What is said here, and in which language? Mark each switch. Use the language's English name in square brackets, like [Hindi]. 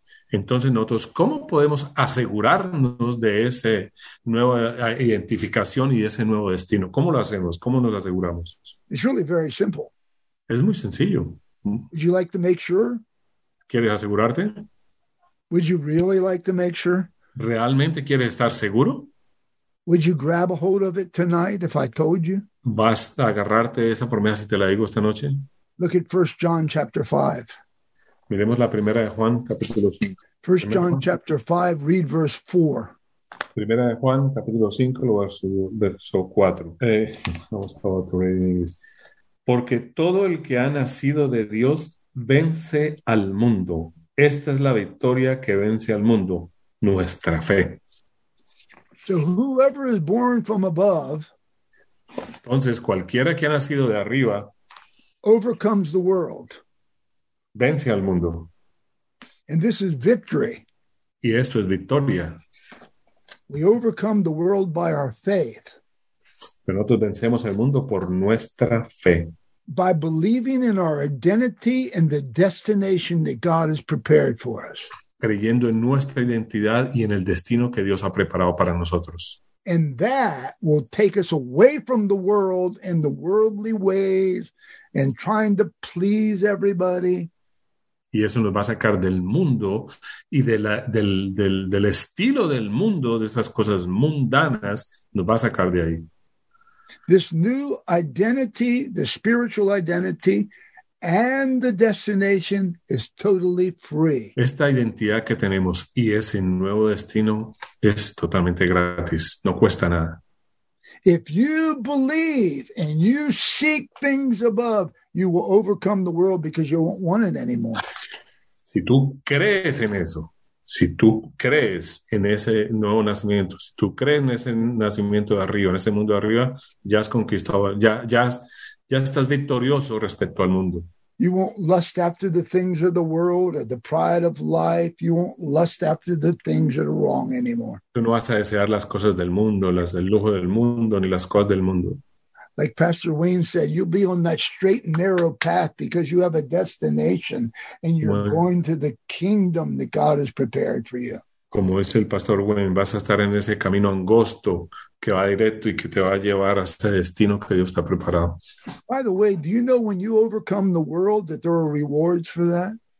[Spanish] Entonces nosotros, ¿cómo podemos asegurarnos de esa nueva identificación y ese nuevo destino? ¿Cómo lo hacemos? ¿Cómo nos aseguramos? [English] It's really very simple. [Spanish] Es muy sencillo. [English] Would you like to make sure? [Spanish] ¿Quieres asegurarte? [English] Would you really like to make sure? [Spanish] ¿Realmente quieres estar seguro? [English] Would you grab a hold of it tonight if I told you? [Spanish] ¿Vas a agarrarte esa promesa si te la digo esta noche? [English] Look at 1 John chapter 5. [Spanish] Miremos la primera de Juan, capítulo 5. [English] 1 John chapter 5, read verse 4. [Spanish] Primera de Juan, capítulo 5, verso 4. Vamos a otro reading. Porque todo el que ha nacido de Dios vence al mundo. Esta es la victoria que vence al mundo, nuestra fe. [English] So whoever is born from above, [Spanish] entonces cualquiera que ha nacido de arriba, [English] overcomes the world. [Spanish] Vence al mundo. [English] And this is victory. [Spanish] Y esto es victoria. [English] We overcome the world by our faith. [Spanish] Pero nosotros vencemos el mundo por nuestra fe. [English] By believing in our identity and the destination that God has prepared for us. [Spanish] Creyendo en nuestra identidad y en el destino que Dios ha preparado para nosotros. [English] And that will take us away from the world and the worldly ways and trying to please everybody. [Spanish] Y eso nos va a sacar del mundo y del estilo del mundo, de esas cosas mundanas, nos va a sacar de ahí. [English] this new identity, the spiritual identity, and the destination is totally free. [Spanish] Esta identidad que tenemos y ese nuevo destino es totalmente gratis. No cuesta nada. [English] If you believe and you seek things above, you will overcome the world because you won't want it anymore. [Spanish] Si tú crees en eso, si tú crees en ese nuevo nacimiento, si tú crees en ese nacimiento de arriba, en ese mundo de arriba, ya has conquistado, ya estás victorioso respecto al mundo. [English] You won't lust after the things of the world or the pride of life. You won't lust after the things that are wrong anymore. [Spanish] Tú no vas a desear las cosas del mundo, las del lujo del mundo, ni las cosas del mundo. [English] Like Pastor Wayne said, you'll be on that straight and narrow path because you have a destination and you're bueno, going to the kingdom that God has prepared for you. [Spanish] Como dice el Pastor Wayne, vas a estar en ese camino angosto que va directo y que te va a llevar a ese destino que Dios te ha preparado. [English] By the way, do you know when you overcome the world that there are rewards for that?